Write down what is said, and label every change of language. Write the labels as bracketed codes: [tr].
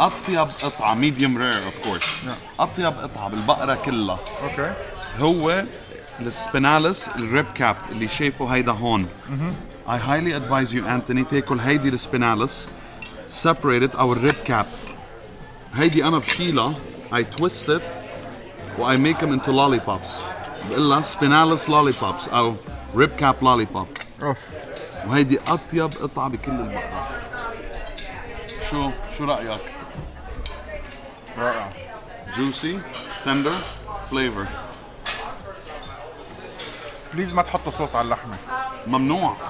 [ar] اطيب قطعه ميديوم رير اوف كورس، اطيب قطعه بالبقره كلها اوكي هو السبيناليس الريب كاب اللي شايفه هيدا هون. [en] I highly advise you Anthony [ar] تاكل هيدي السبيناليس [en] separated او الريب cap. [ar] هيدي انا بشيلها [en] I twist it و I make them into lollipops. بقلها spinalis lollipops أو rib cap lollipop. [ar] وهيدي أطيب قطعة بكل البقرة. شو رأيك؟ رائع. [en] Juicy, tender, flavor. [ar] بليز ما تحطوا صوص على اللحمة. ممنوع.